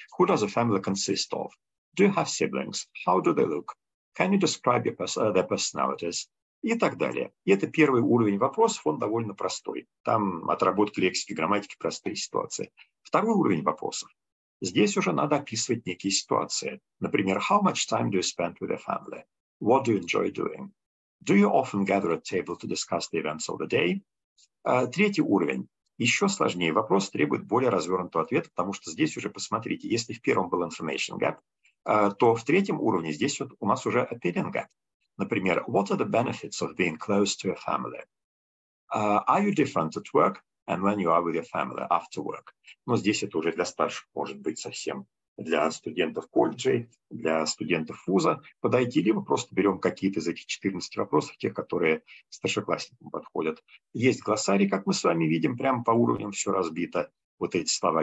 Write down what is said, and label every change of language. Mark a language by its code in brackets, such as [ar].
[en] Who does a family consist of? Do you have siblings? How do they look? Can you describe your their personalities? [ru] И так далее. И это первый уровень вопросов, он довольно простой. Там отработка лексики, грамматики, простые ситуации. Второй уровень вопросов. Здесь уже надо описывать некие ситуации. Например, [en] how much time do you spend with your family? What do you enjoy doing? Do you often gather at table to discuss the events of the day? [ru] Третий уровень. Еще сложнее. Вопрос требует более развернутого ответа, потому что здесь уже, посмотрите, если в первом был information gap, то в третьем уровне здесь вот у нас уже opinion gap. Например, [en] what are the benefits of being close to your family? Are you different at work? And when you are with your family after work. [ru] Но здесь это уже для старших может быть совсем. Для студентов колледжей, для студентов вуза подойти. Либо просто берем какие-то из этих 14 вопросов, тех, которые старшеклассникам подходят. Есть глоссарий, как мы с вами видим, прямо по уровням все разбито. Вот эти слова.